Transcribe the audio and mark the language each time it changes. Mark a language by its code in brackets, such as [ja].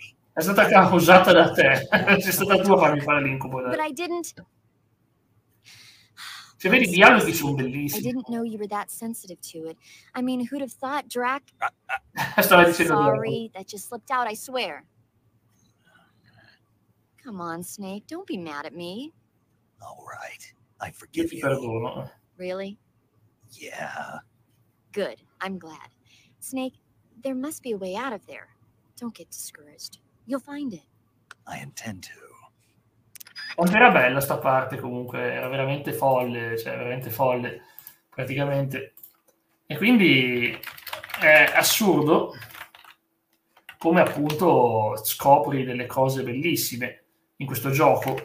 [it] È stata causata da te. Sei stata tu a farmi fare l'incubo. Ma non... Se vedi, i dialoghi sono bellissimi. [en] I didn't know you were that sensitive to it. I mean, who'd have thought, Drac? [it] Stava dicendo Drac. [en] Sorry, that just slipped out, I swear. Come on, Snake, don't be mad at me. All right, I forgive you. [it] Perdono. [en] Really? Yeah. Good, I'm glad. Snake, there must be a way out of there. Don't get discouraged. You'll find it. I intend to. [it] Quanto era bella sta parte, comunque, era veramente folle, cioè veramente folle, praticamente. E quindi è assurdo come appunto scopri delle cose bellissime in questo gioco.